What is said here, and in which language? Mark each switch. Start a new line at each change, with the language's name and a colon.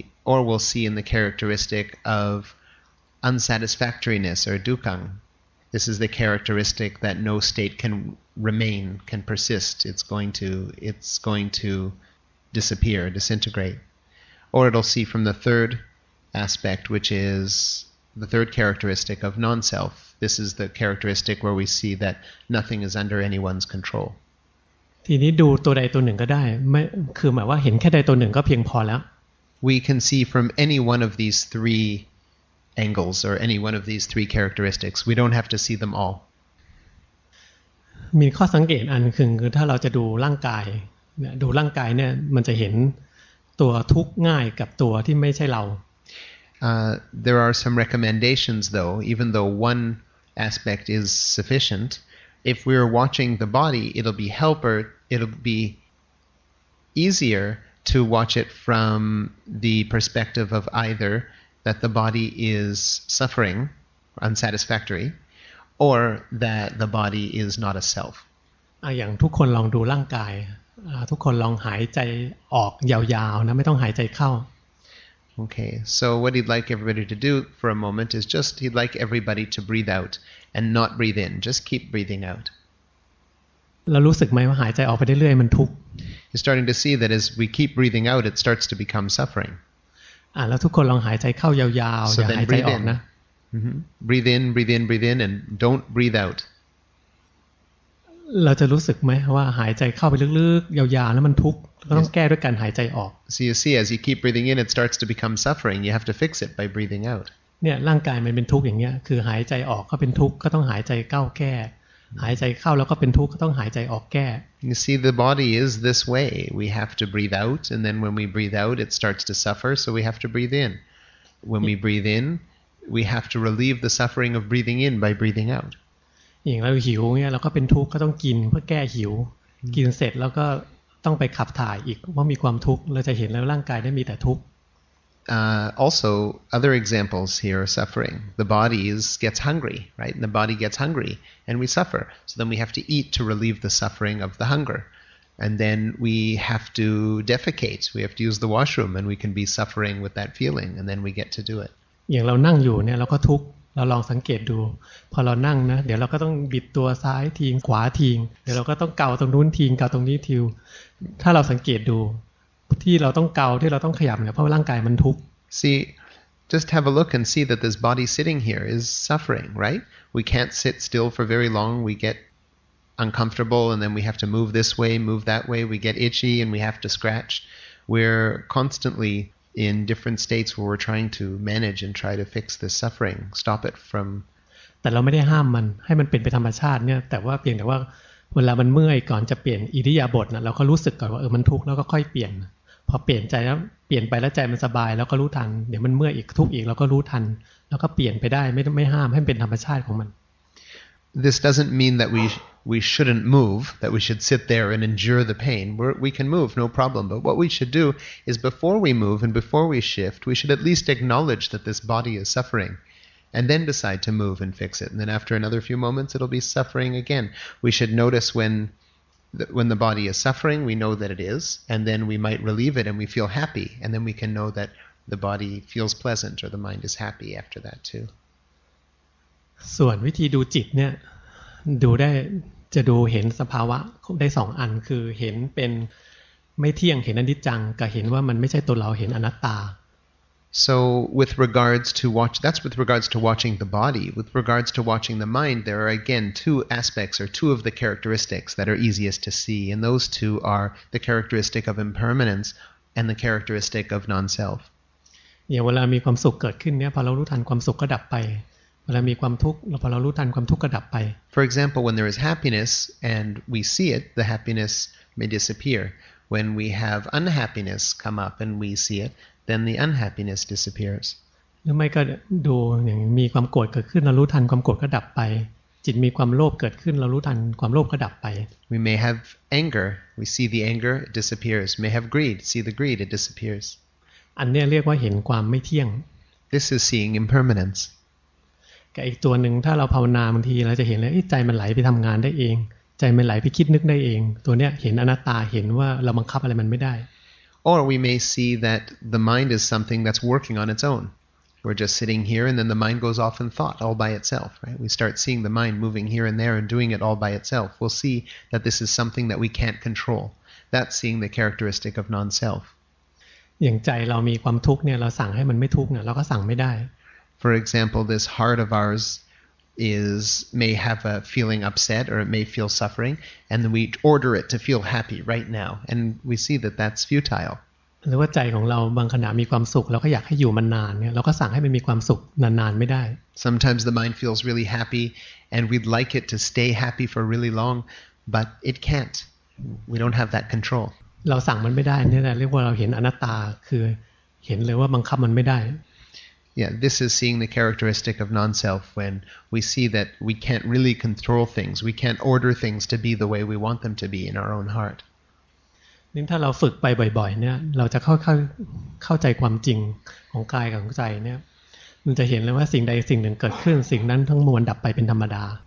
English: or we'll see in the characteristic of unsatisfactoriness or dukkang this is the characteristic that no state can remain can persist it's going to disappear disintegrate or it'll see from the thirdaspect which is the third characteristic of non-self this is the characteristic where we see that nothing is under anyone's control
Thai: ทีนี้ดูตัวใดตัวหนึ่งก็ได้ไม่คือหมายว่าเห็นแค่ใดตัวหนึ่งก็เพียงพอแล้ว
English: we can see from any one of these three angles or any one of these three characteristics we don't have to see them all
Thai: มีข้อสังเกตอันคือถ้าเราจะดูร่างกายเนี่ยดูร่างกายเนี่ยมันจะเห็นตัวทุกข์ง่ายกับตัวที่ไม่ใช่เรา
English: There are some recommendations though, even though one aspect is sufficient, if we're watching the body, it'll be easier to watch it from the perspective of either that the body is suffering, unsatisfactory, or that the body is not a self.
Thai: อย่างทุกคนลองดูร่างกายทุกคนลองหายใจออกยาวๆนะไม่ต้องหายใจเข้า
English: Okay, so what he'd like everybody to do for a moment is just he'd like everybody to breathe out and not breathe in. Just keep breathing out.
Thai: เรารู้สึกไหมว่าหายใจออกไปเรื่อยๆมันทุกข์
English: He's starting to see that as we keep breathing out, it starts to become suffering.
Thai: แล้วทุกคนลองหายใจเข้ายาวๆอย่าหายใจออกนะ
English: Breathe in, breathe in, breathe in, and don't breathe out.
Thai: เราจะรู้สึกไหมว่าหายใจเข้าไปลึกๆยาวๆแล้วมันทุกข์ก็ต้องแก้ด้วยการหายใจออก
English: So you see, as you keep breathing in, it starts to become suffering. You have to fix it by breathing out.
Thai: เนี่ยร่างกายมันเป็นทุกข์อย่างเงี้ยคือหายใจออกก็เป็นทุกข์ก็ต้องหายใจเข้าแก้หายใจเข้าแล้วก็เป็นทุกข์ก็ต้องหายใจออกแก้
English: You see, the body is this way. We have to breathe out, and then when we breathe out, it starts to suffer. So we have to breathe in. When we breathe in, we have to relieve the suffering of breathing in by breathing out.
Thai: อย่างเราหิวเนี่ยเราก็เป็นทุกข์ก็ต้องกินเพื่อแก้หิวกินเสร็จแล้วก็ต้องไปขับถ่ายอีกว่ามีความทุกข์เราจะเห็นแล้วร่างกายได้มีแต่ทุกข์
English: Also other examples here suffering the body gets hungry right and the body gets hungry and we suffer so then we have to eat to relieve the suffering of the hunger And then we have to defecate. We have to use the washroom, and we can be suffering with that feeling, and then we get to do it.
Thai: อย่างเรานั่งอยู่เนี่ยเราก็ทุกข์เราลองสังเกตดูพอเรานั่งนะเดี๋ยวเราก็ต้องบิดตัวซ้ายทิ้งขวาทิ้งเดี๋ยวเราก็ต้องเกาตรงนู้นทิ้งเกาตรงนี้ทิ้งถ้าเราสังเกตดูที่เราต้องเกาที่เราต้องขยับเนี่ยเพราะร่างกายมันทุกข์
English: See, just have a look and see that this body sitting here is suffering, right? We can't sit still for very long. We getuncomfortable and then we have to move this way move that way we get itchy and we have to scratch we're constantly in different states where we're trying to manage and try to fix this suffering stop it from
Thai: แต่เราไม่ได้ห้ามมันให้มันเป็นไปธรรมชาติเนี่ยแต่ว่าเพียงแต่ว่าเวลามันเมื่อยก่อนจะเปลี่ยนอิริยาบถนะเราก็รู้สึกก่อนว่าเออมันทุกข์แล้วก็ค่อยเปลี่ยนพอเปลี่ยนใจแล้วเปลี่ยนไปแล้วใจมันสบายแล้วก็รู้ทันเดี๋ยวมันเมื่อยอีกทุกข์อีกเราก็รู้ทันแล้วก็เปลี่ยนไปได้ไม่ห้ามให้เป็นธรรมชาติของมัน
English: This doesn't mean that we shouldn't move, that we should sit there and endure the pain. We can move, no problem. But what we should do is before we move and before we shift, we should at least acknowledge that this body is suffering and then decide to move and fix it. And then after another few moments, it'll be suffering again. We should notice when the body is suffering, we know that it is, and then we might relieve it and we feel happy. And then we can know that the body feels pleasant or the mind is happy after that too.
Thai: ส่วนวิธีดูจิตเนี่ยดูได้จะดูเห็นสภาวะได้2อันคือเห็นเป็นไม่เที่ยงเห็นอนิจจังกับเห็นว่ามันไม่ใช่ตัวเราเห็นอนัตตา
English: So with regards to watch that's with regards to watching the body with regards to watching the mind there are again two aspects or two of the characteristics that are easiest to see and those two are the characteristic of impermanence and the characteristic of non-self
Thai: เวลามีความสุขเกิดขึ้นเนี่ยพอเรารู้ทันความสุขก็ดับไปเรามีความทุกข์เราพอเรารู้ทันความทุกข์ก็ดับไป
English: For example when there is happiness and we see it the happiness may disappear when we have unhappiness come up and we see it then the unhappiness disappears
Thai: หรือไม่ก็ดูอย่างมีความโกรธเกิดขึ้นเรารู้ทันความโกรธก็ดับไปจิตมีความโลภเกิดขึ้นเรารู้ทันความโลภก็ดับไป
English: We may have anger we see the anger it disappears may have greed see the greed it disappears
Thai: อันนี้เรียกว่าเห็นความไม่เที่ยง
English: This is seeing impermanence
Thai: กับอีกตัวหนึ่งถ้าเราภาวนาบางทีเราจะเห็นเลยใจมันไหลไปทำงานได้เองใจมันไหลไปคิดนึกได้เองตัวเนี้ยเห็นอนัตตาเห็นว่าเราบังคับอะไรมันไม่ได้
English: or we may see that the mind is something that's working on its own we're just sitting here and then the mind goes off in thought all by itself right we start seeing the mind moving here and there and doing it all by itself we'll see that this is something that we can't control that's seeing the characteristic of non-self
Thai: อย่างใจเรามีความทุกข์เนี่ยเราสั่งให้มันไม่ทุกข์เนี่ยเราก็สั่งไม่ได้
English: For example, this heart of ours may have a feeling upset or it may feel suffering, and we order it to feel happy right now, and we see that that's futile.
Thai: หรือว่าใจของเราบางขณะมีความสุขเราก็อยากให้อยู่มันนานเนี่ยเราก็สั่งให้มันมีความสุขนานๆไม่ได้
English: Sometimes the mind feels really happy, and we'd like it to stay happy for really long, but it can't. We don't have that control.
Thai: เราสั่งมันไม่ได้นี่แหละเรียกว่าเราเห็นอนัตตาคือเห็นเลยว่าบังคับมันไม่ได้
English: Yeah, this is seeing the characteristic of non-self when we see that we can't really control things. We can't order things to be the way we want them to be in our own heart.
Thai: นี่ถ้าเราฝึกไปบ่อยๆเนี่ยเราจะเข้าใจความจริงของกายกับใจเนี่ยมันจะเห็นเลยว่าสิ่งใดสิ่งหนึ่งเกิดขึ้นสิ่งนั้นทั้งมวลดับไปเป็นธรรมดา